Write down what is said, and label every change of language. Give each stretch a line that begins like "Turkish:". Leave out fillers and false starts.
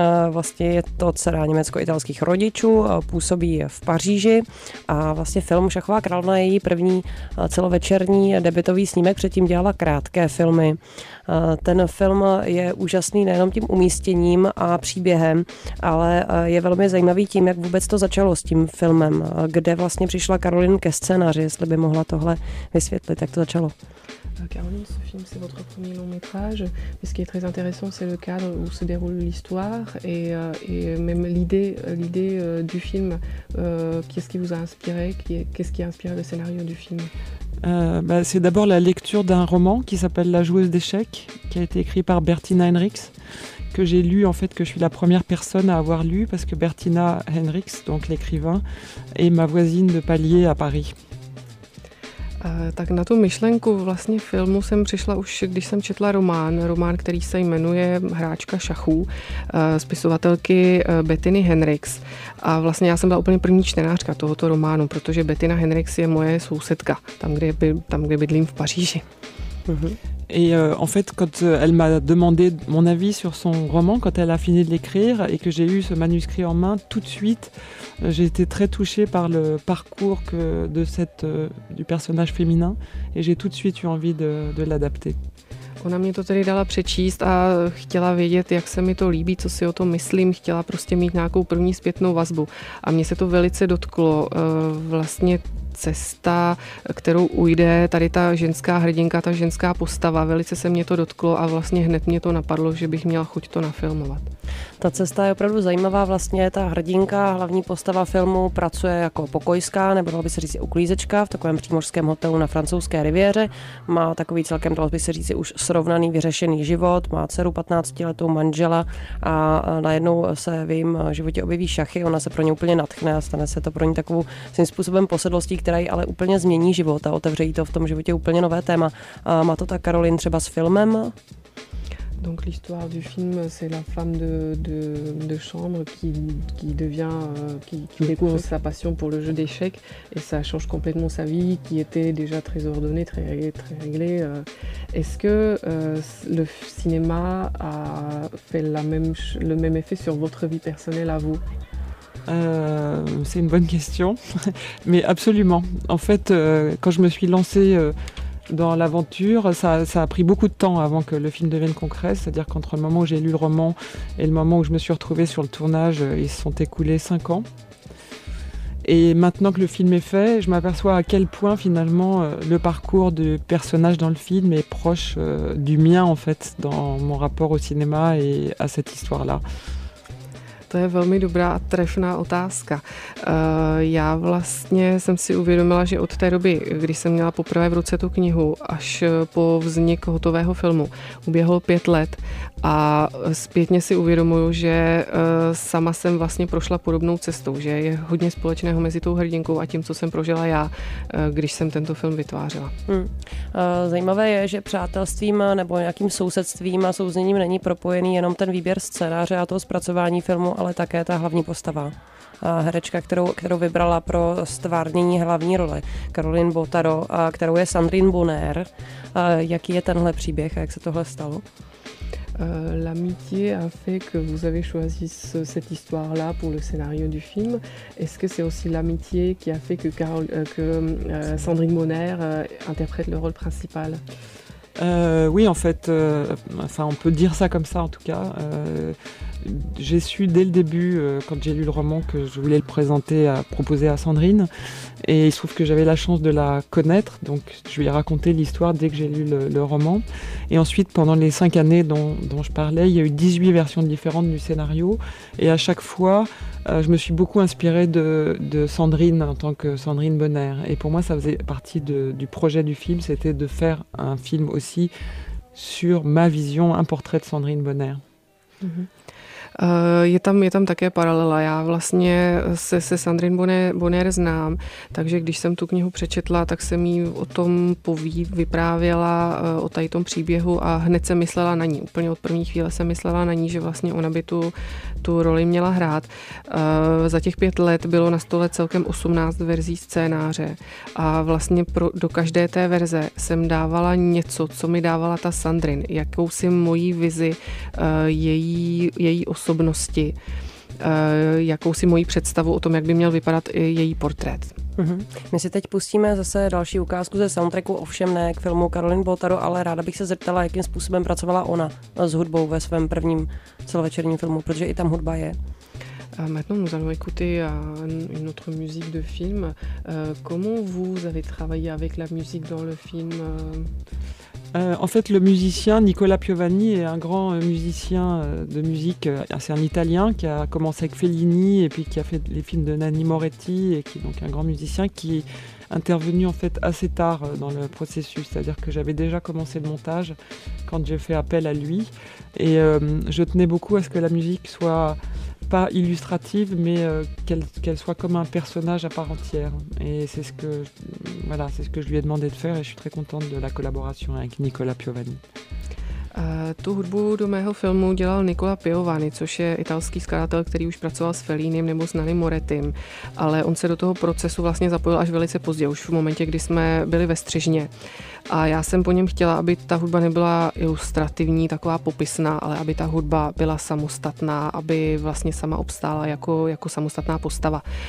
Czech: Vlastně je to dcera německo-italských rodičů, působí v Paříži a vlastně film Šachová královna je její první celovečerní debutový snímek, předtím dělala krátké filmy. Ten film je úžasný nejenom tím umístěním a příběhem, ale je velmi zajímavý tím, jak vůbec to začalo s tím filmem, kde vlastně přišla Karolin ke scénáři, jestli by mohla tohle vysvětlit, jak to začalo.
French: Caroline, ce film, c'est votre premier long métrage. Mais ce qui est très intéressant, c'est le cadre où se déroule l'histoire et même l'idée du film. Qu'est-ce qui vous a inspiré? Qu'est-ce qui a inspiré le scénario du film? C'est d'abord la lecture d'un roman qui s'appelle La joueuse d'échecs, qui a été écrit par Bertina Hendricks, que j'ai lu en fait, que je suis la première personne à avoir lu parce que Bertina Hendricks, donc l'écrivain, est ma voisine de palier à Paris.
Czech: Tak na tu myšlenku vlastně filmu jsem přišla už, když jsem četla román, který se jmenuje Hráčka šachů, spisovatelky Bettiny Hendricks. A vlastně já jsem byla úplně první čtenářka tohoto románu, protože Bettina Hendricks je moje sousedka, tam, kde bydlím v Paříži.
French: Et en fait, quand elle m'a demandé mon avis sur son roman, quand elle a fini de l'écrire et que j'ai eu ce manuscrit en main, tout de suite, j'ai été très touchée par le parcours du personnage féminin et j'ai tout de suite eu envie de l'adapter.
Czech: Ona mě to tedy dala přečíst a chtěla vědět, jak se mi to líbí, co si o tom myslím, chtěla prostě mít nějakou první zpětnou vazbu. A mě se to velice dotklo, vlastně cesta, kterou ujde tady ta ženská hrdinka, ta ženská postava, velice se mě to dotklo a vlastně hned mě to napadlo, že bych měla chuť to nafilmovat. Ta cesta je opravdu zajímavá, vlastně ta hrdinka, hlavní postava filmu, pracuje jako pokojská, nebo dalo by se říct uklízečka v takovém přímořském hotelu na francouzské riviéře. Má takový celkem, dalo by se říct, už srovnaný, vyřešený život, má dceru 15-letou, manžela a najednou se v jejím životě objeví šachy, ona se pro ně úplně nadchne a stane se to pro ní takovou svým způsobem posedlostí, která ji ale úplně změní život a otevře jí to v tom životě úplně nové téma. A má to ta Karolin třeba s filmem?
French: Donc l'histoire du film, c'est la femme de chambre qui découvre sa passion pour le jeu d'échecs et ça change complètement sa vie qui était déjà très ordonnée, très réglée. Est-ce que le cinéma a fait le même effet sur votre vie personnelle à vous? C'est une bonne question, mais absolument. En fait, quand je me suis lancée dans l'aventure, ça a pris beaucoup de temps avant que le film devienne concret, c'est-à-dire qu'entre le moment où j'ai lu le roman et le moment où je me suis retrouvée sur le tournage, ils se sont écoulés 5 ans. Et maintenant que le film est fait, je m'aperçois à quel point finalement le parcours du personnage dans le film est proche du mien en fait, dans mon rapport au cinéma et à cette histoire-là.
Czech: To je velmi dobrá a trefná otázka. Já vlastně jsem si uvědomila, že od té doby, kdy jsem měla poprvé v ruce tu knihu, až po vznik hotového filmu, uběhlo 5 let a zpětně si uvědomuju, že sama jsem vlastně prošla podobnou cestou, že je hodně společného mezi tou hrdinkou a tím, co jsem prožila já, když jsem tento film vytvářela. Zajímavé je, že přátelstvím nebo nějakým sousedstvím a souzněním není propojený jenom ten výběr scénáře a toho zpracování filmu, ale také ta hlavní postava, herečka, kterou vybrala pro stvárnění hlavní role, Caroline Botaro, kterou je Sandrine Bonnaire. Jaký je tenhle příběh a jak se tohle stalo?
French: L'amitié a fait que vous avez choisi cette histoire-là pour le scénario du film. Est-ce que c'est aussi l'amitié qui a fait que Sandrine Bonnaire interprète le rôle principal? Oui, en fait, enfin, on peut dire ça comme ça en tout cas. J'ai su dès le début, quand j'ai lu le roman, que je voulais le présenter, proposer à Sandrine. Et il se trouve que j'avais la chance de la connaître, donc je lui ai raconté l'histoire dès que j'ai lu le roman. Et ensuite, pendant les 5 années dont je parlais, il y a eu 18 versions différentes du scénario. Et à chaque fois, je me suis beaucoup inspirée de Sandrine en tant que Sandrine Bonnaire. Et pour moi, ça faisait partie du projet du film, c'était de faire un film aussi sur ma vision, un portrait de Sandrine Bonnaire.
Czech: Je tam také paralela. Já vlastně se Sandrine Bonnaire znám, takže když jsem tu knihu přečetla, tak jsem jí o tom vyprávěla, o tady tom příběhu a hned jsem myslela na ní. Úplně od první chvíle jsem myslela na ní, že vlastně ona by tu roli měla hrát. Za těch 5 let bylo na stole celkem 18 verzí scénáře a vlastně do každé té verze jsem dávala něco, co mi dávala ta Sandrine, jakousi mojí vizi, její osobnosti, jakousi mojí představu o tom, jak by měl vypadat i její portrét. Mm-hmm. My si teď pustíme zase další ukázku ze soundtracku, ovšem ne k filmu Caroline Botaro, ale ráda bych se zeptala, jakým způsobem pracovala ona s hudbou ve svém prvním celovečerním filmu, protože i tam hudba je.
French: Maintenant, nous allons écouter une autre musique de film. Comment vous avez travaillé avec la musique dans le film? En fait, le musicien Nicola Piovani est un grand musicien de musique. C'est un Italien qui a commencé avec Fellini et puis qui a fait les films de Nanni Moretti et qui est donc un grand musicien qui est intervenu en fait assez tard dans le processus. C'est-à-dire que j'avais déjà commencé le montage quand j'ai fait appel à lui. Et je tenais beaucoup à ce que la musique soit pas illustrative, mais qu'elle soit comme un personnage à part entière. Et c'est ce que je lui ai demandé de faire et je suis très contente de la collaboration avec Nicola Piovani.
Czech: Tu hudbu do mého filmu dělal Nicola Piovani, což je italský skladatel, který už pracoval s Fellinim nebo s Nanni Moretim, ale on se do toho procesu vlastně zapojil až velice pozdě, už v momentě, kdy jsme byli ve střižně. A já jsem po něm chtěla, aby ta hudba nebyla ilustrativní, taková popisná, ale aby ta hudba byla samostatná, aby vlastně sama obstála jako samostatná postava.